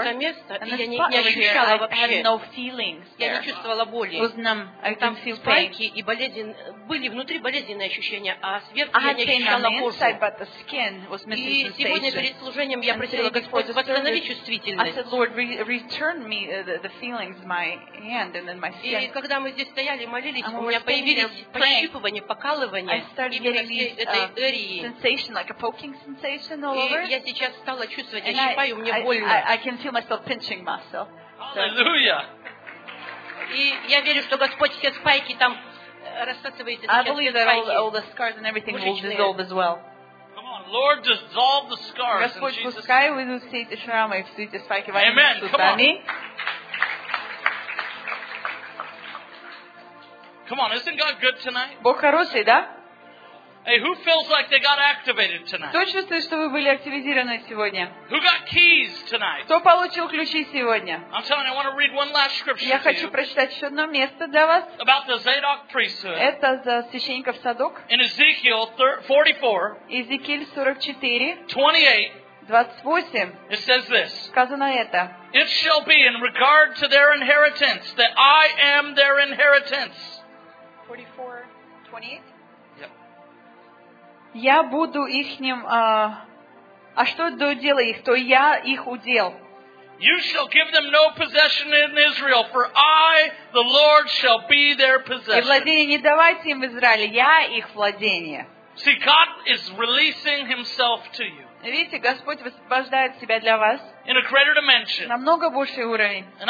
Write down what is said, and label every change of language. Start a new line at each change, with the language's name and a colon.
Russian: Это место, и я не ощущала вообще.
English: I had no feelings.
Russian: Я не чувствовала боли.
English: Was numb. I
Russian: там
English: feel spiky
Russian: и болезненные были внутри болезненные ощущения, а сверху я не ощущала кожу.
English: Inside, but the skin was missing
Russian: и сегодня перед служением я просила Господа восстановить чувствительность.
English: I said, Lord, return me the feelings, my hand and then my skin.
Russian: И когда мы здесь стояли, молились, у меня появились пощипывание, покалывание
English: sensation, like a poking sensation all
Russian: и
English: over.
Russian: Я сейчас стала чувствовать, я щипаю, мне больно.
English: I can feel myself pinching myself. Hallelujah.
Russian: И я верю, что Господь все спайки там рассасывает.
English: I believe that all the scars and everything will dissolve as well. Come on, Lord, dissolve the scars.
Russian: Господь,
English: in Jesus.
Russian: Пускай выйдут все эти шрамы и все эти спайки.
English: Amen. Come on. Come on, isn't God good tonight?
Russian: Бог хороший, да?
English: Hey, who feels like they got activated tonight?
Russian: Кто чувствует, что вы были активизированы сегодня?
English: Who got keys tonight?
Russian: Кто получил ключи сегодня?
English: I'm telling you, I want to read one last scripture.
Russian: Я хочу прочитать еще одно место для вас.
English: About the Zadok priesthood.
Russian: Это за священников Садок.
English: In Ezekiel 44.
Russian: Иезекииль 44.
English: 28.
Russian: 28.
English: It says this.
Russian: Сказано это.
English: It shall be in regard to their inheritance that I am their inheritance.
Russian: 44:28. Yep. Я буду ихним, а что до дела их, то я их удел.
English: You shall give them no possession in Israel, for I, the Lord, shall be their possession.
Russian: И владение не давайте им в Израиле, я их владение.
English: See, God is releasing himself to you.
Russian: Видите, Господь высвобождает себя для вас намного больший уровень.